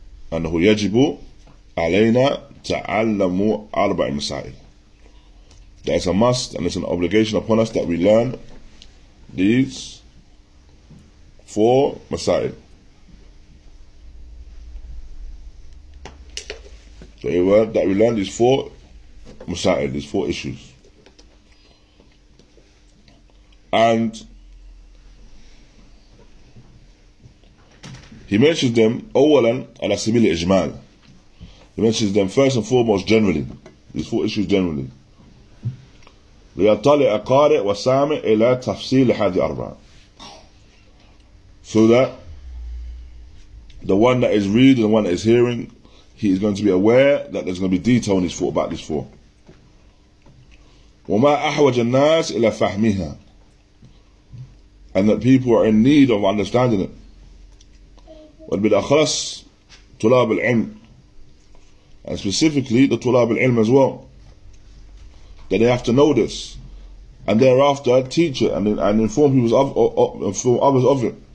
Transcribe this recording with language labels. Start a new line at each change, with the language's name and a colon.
Arabic: And هو يجب علينا تعلم أربع مسائل.
English: That is a must and it's an obligation upon us that we learn these four مسائل. So it was that we learn these four مسائل, these four issues. And he mentions them
Arabic: أولاً على سبيل الإجمال.
English: He mentions them first and foremost generally. These four issues generally.
Arabic: ليطلع قارئ وسامع إلى تفصيل هذه الأربعة.
English: So that the one that is reading, the one that is hearing, he is going to be aware that there's going to be detail in his thought about these four.
Arabic: وما أحوج الناس إلى فهمها.
English: And that people are in need of understanding it.
Arabic: وَالْبِدْأَخَرَسْ طُلَابِ الْعِلْمِ.
English: And specifically, the طُلَابِ الْعِلْمِ as well. That they have to know this. And thereafter, teach it and inform people of, inform others of it.